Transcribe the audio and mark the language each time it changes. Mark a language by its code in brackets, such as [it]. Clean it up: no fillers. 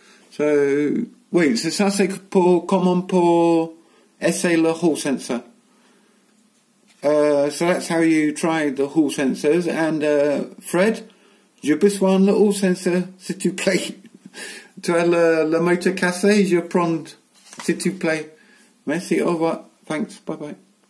[fr] So, oui, so ça c'est pour comment pour essayer le hall sensor. [en] So that's how you try the hall sensors. And [fr] Fred, j'ai besoin le hall sensor, s'il te plaît. Tu as le moteur cassé, je prends, s'il te plaît. Merci, au revoir. [en] Thanks, bye bye.